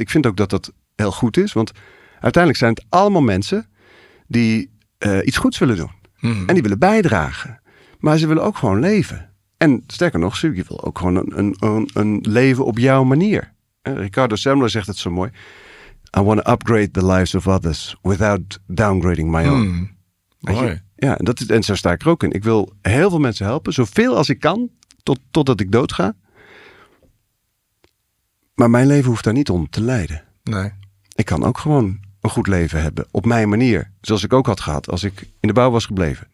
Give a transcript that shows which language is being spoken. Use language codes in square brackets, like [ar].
[nl] Ik vind ook dat heel goed is, want uiteindelijk zijn het allemaal mensen die iets goeds willen doen. Mm-hmm. En die willen bijdragen. Maar ze willen ook gewoon leven. En sterker nog, je wil ook gewoon een leven op jouw manier. Ricardo Semler zegt het zo mooi. [en] I want to upgrade the lives of others without downgrading my own. Mm-hmm. [nl] Ja, en zo sta ik er ook in. Ik wil heel veel mensen helpen, zoveel als ik kan, totdat ik doodga. Maar mijn leven hoeft daar niet onder te lijden. Nee. Ik kan ook gewoon een goed leven hebben. Op mijn manier. Zoals ik ook had gehad als ik in de bouw was gebleven.